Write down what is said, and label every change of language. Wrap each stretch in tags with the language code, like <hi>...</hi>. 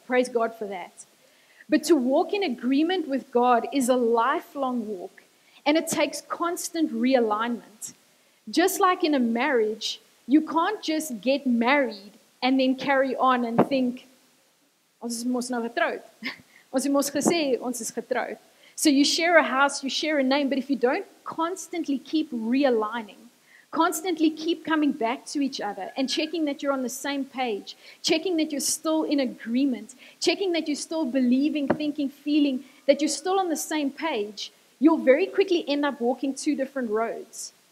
<en>Praise God for that. But to walk in agreement with God is a lifelong walk, and it takes constant realignment. Just like in a marriage, you can't just get married and then carry on and think,</en> <af>ons is mos nou getroud. Ons het mos gesê, ons is getroud.</af> <en>So you share a house, you share a name, but if you don't constantly keep realigning, constantly keep coming back to each other and checking that you're on the same page, checking that you're still in agreement, checking that you're still believing, thinking, feeling, that you're still on the same page, you'll very quickly end up walking two different roads.</en>